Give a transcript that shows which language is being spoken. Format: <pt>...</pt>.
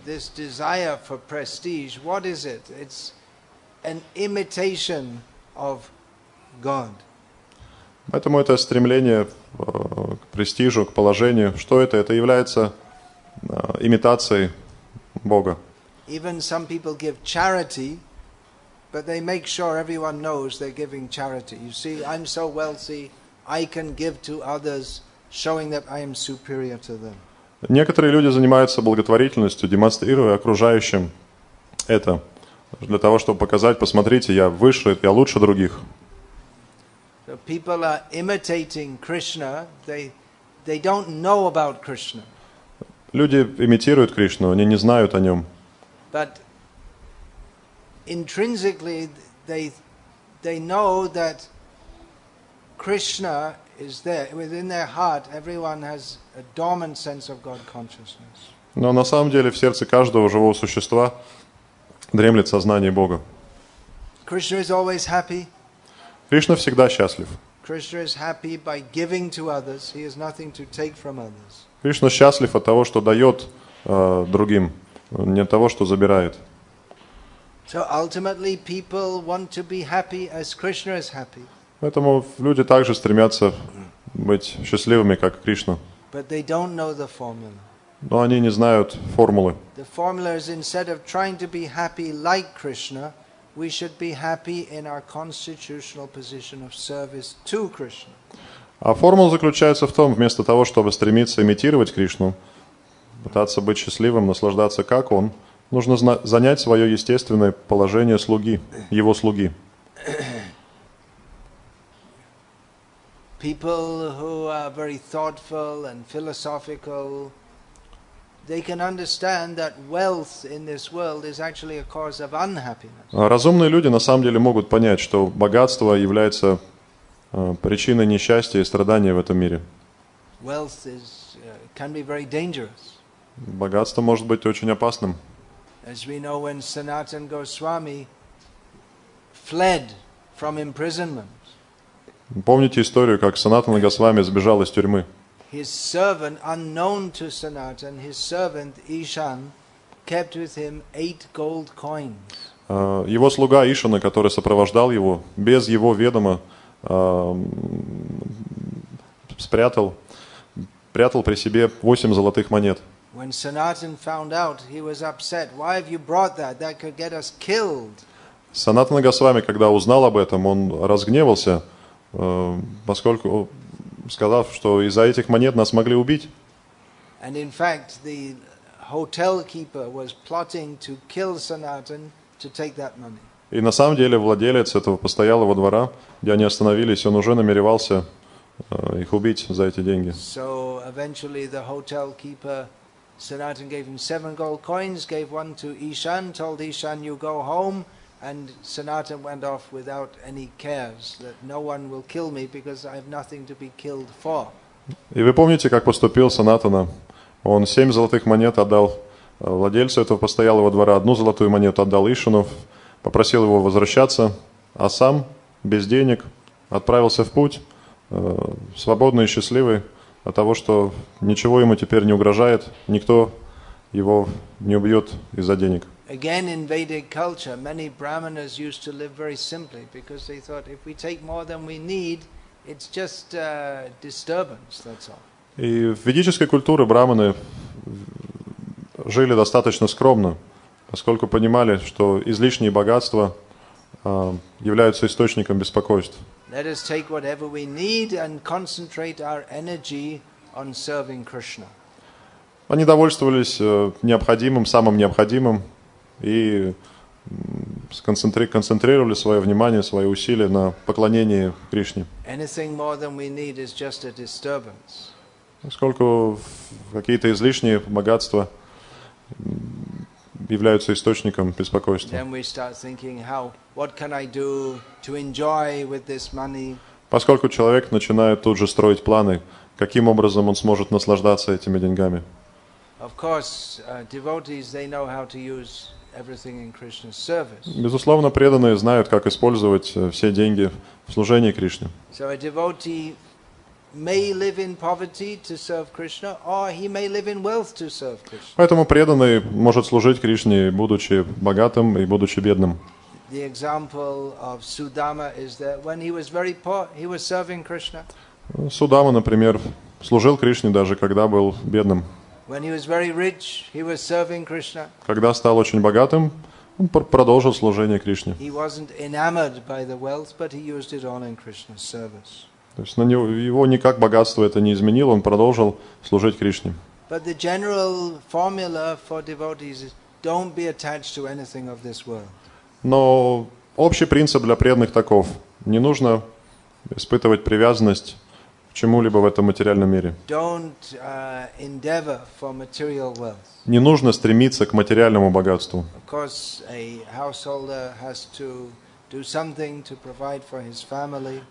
<en>So this desire for prestige, what is it? It's an imitation of God.</en> <ru>Поэтому это стремление к престижу, к положению. Что это? Это является имитацией Бога.</ru> <en>Even some people give charity, but they make sure everyone knows they're giving charity. You see, I'm so wealthy, I can give to others, showing that I am superior to them.</en> <ru>Некоторые люди занимаются благотворительностью, демонстрируя окружающим это, для того, чтобы показать, посмотрите, я выше, я лучше других.</ru> <en>So people are imitating Krishna, they don't know about Krishna.</en> <ru>Люди имитируют Кришну, они не знают о нем.</ru> <en>But intrinsically they know that Krishna is there. Within their heart everyone has a dormant sense of God consciousness.</en> <ru>Но на самом деле в сердце каждого живого существа дремлет сознание Бога.</ru> <en>Krishna is always happy.</en> <ru>Кришна всегда счастлив.</ru> <en>Krishna is happy by giving to others. He has nothing to take from others.</en> <ru>Кришна счастлив от того, что дает другим, не от того, что забирает.</ru> <en>So ultimately people want to be happy as Krishna is happy.</en> <ru>Поэтому люди также стремятся быть счастливыми, как Кришна.</ru> <en>But they don't know the formula.</en> <ru>Но они не знают формулы.</ru> <en>The formula is instead of trying to be happy like Krishna, we should be happy in our constitutional position of service to Krishna.</en> <ru>А формула заключается в том, вместо того, чтобы стремиться имитировать Кришну, пытаться быть счастливым, наслаждаться как Он, нужно занять свое естественное положение слуги, Его слуги.</ru> <en>People who are very thoughtful and philosophical, they can understand that wealth in this world is actually a cause of unhappiness.</en> <ru>Разумные люди на самом деле могут понять, что богатство является причиной несчастья и страдания в этом мире.</ru> <en>Wealth is can be very dangerous.</en> <ru>Богатство может быть очень опасным.</ru> <en>As we know, when Sanatan Goswami fled from imprisonment.</en> <ru>Помните историю, как Санатана Госвами сбежал из тюрьмы.</ru> <en>His servant, unknown to Sanatan, his servant Ishan kept with him 8 gold coins.</en> <ru>Его слуга Ишана, который сопровождал его, без его ведома прятал при себе 8 золотых монет.</ru> <en>When Sanatan found out, he was upset. Why have you brought that? That could get us killed.</en> <ru>Санатана Госвами, когда узнал об этом, он разгневался, поскольку сказав, что из-за этих монет нас могли убить.</ru> <en>And in fact, the hotel keeper was plotting to kill Sanatan to take that money.</en> <ru>И на самом деле владелец этого постоялого двора, где они остановились, он уже намеревался их убить за эти деньги.</ru> <en>So eventually the hotel keeper, Sanatan gave him 7 gold coins, gave one to Ishan, told Ishan, you go home. And Sanatan went off without any cares, that no one will kill me because I have nothing to be killed for.</en> <ru>И вы помните, как поступил Санатана? Он 7 золотых монет отдал владельцу этого постоялого двора, 1 золотую монету отдал Ишану, попросил его возвращаться, а сам без денег отправился в путь, свободный и счастливый от того, что ничего ему теперь не угрожает, никто его не убьет из-за денег.</ru> <en>Again, in Vedic culture, many brahmanas used to live very simply because they thought if we take more than we need, it's just disturbance, that's all.</en> <ru>И в ведической культуре брахманы жили достаточно скромно, поскольку понимали, что излишние богатства являются источником беспокойств.</ru> <en>Let us take whatever we need and concentrate our energy on serving Krishna.</en> <ru>Они довольствовались необходимым, самым необходимым, и концентрировали свое внимание, свои усилия на поклонении Кришне.</ru> <en>Anything more than we need is just a disturbance.</en> <ru>Поскольку какие-то излишние богатства являются источником беспокойства.</ru> <en>Then we start thinking, how, what can I do to enjoy with this money?</en> <ru>Поскольку человек начинает тут же строить планы, каким образом он сможет наслаждаться этими деньгами.</ru> <en>Of course, devotees, they know how to use everything in Krishna's service.</en> <ru>Безусловно, преданные знают, как использовать все деньги в служении Кришне.</ru> <en>So a devotee may live in poverty to serve Krishna, or he may live in wealth to serve Krishna.</en> <ru>Поэтому преданный может служить Кришне, будучи богатым и будучи бедным.</ru> <en>The example of Sudama is that when he was very poor, he was serving Krishna.</en> <ru>Судама, например, служил Кришне даже когда был бедным.</ru> <en>When he was very rich, he was serving Krishna.</en> <ru>Когда стал очень богатым, он продолжил служение Кришне.</ru> <en>He wasn't enamored by the wealth, but he used it all in Krishna's service.</en> <ru>То есть на него, его никак богатство это не изменило, он продолжил служить Кришне.</ru> <en>But the general formula for devotees is don't be attached to anything of this world.</en> <ru>Но общий принцип для преданных таков: не нужно испытывать привязанность чему-либо в этом материальном мире.</ru> <en>Don't endeavor for material wealth.</en> <ru>Не нужно стремиться к материальному богатству.</ru> <en>Of course, a householder has to do something to provide for his family.</en>